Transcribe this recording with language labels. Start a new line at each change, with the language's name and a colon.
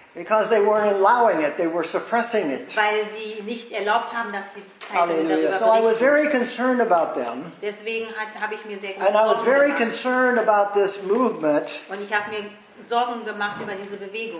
English: Because they weren't allowing it, they were suppressing it.
German: Weil sie nicht erlaubt haben, dass sie
English: So I was very concerned about them.
German: Deswegen habe ich mir sehr
English: And I was very concerned about this movement.
German: Und ich habe mir Sorgen gemacht über diese Bewegung.